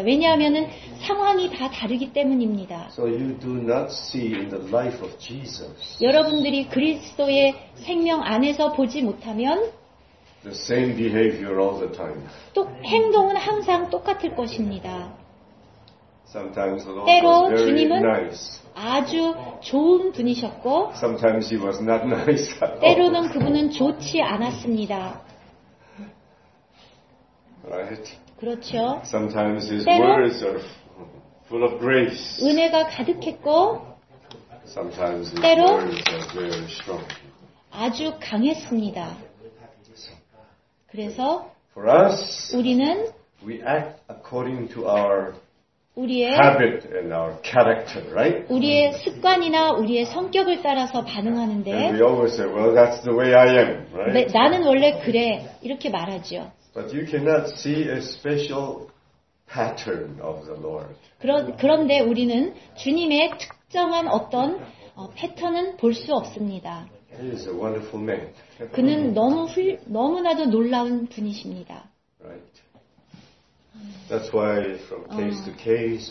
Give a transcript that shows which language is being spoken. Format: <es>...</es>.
<ko>왜냐하면은 상황이 다 다르기 때문입니다.</ko> <en>So you do not see in the life of Jesus.</en> <ko>여러분들이 그리스도의 생명 안에서 보지 못하면</ko> <en>the same behavior all the time.</en> <ko>또 행동은 항상 똑같을 것입니다.</ko> <en>Sometimes the Lord</en> <ko>때로</ko> <en>was very</en> <ko>주님은</ko> <en>nice.</en> <ko>아주 좋은 분이셨고</ko> <en>Sometimes he was not nice.</en> <ko>때로는 그분은 좋지 않았습니다.</ko> <en>Right.</en> <ko>그렇죠.</ko> <en>Sometimes his words are full of grace.</en> <ko>은혜가 가득했고</ko> <en>Sometimes his</en> <ko>때로</ko> <en>words are very strong.</en> <ko>아주 강했습니다. 그래서</ko> <en>For us,</en> <ko>우리는</ko> <en>we act according to our</en> <ko>우리의</ko> <en>habit and our character, right?</en> <ko>우리의 습관이나 우리의 성격을 따라서 반응하는데</ko> <en>And we always say, well, that's the way I am, right?</en> <ko>네, 나는 원래 그래 이렇게 말하죠.</ko> <en>But you cannot see a special pattern of the Lord.</en> <ko>그런데 우리는 주님의 특정한 어떤 패턴은 볼 수 없습니다.</ko> <en>He is a wonderful man.</en> <ko>그는 너무나도 놀라운 분이십니다.</ko> <en>Right. That's why from case to case.</en>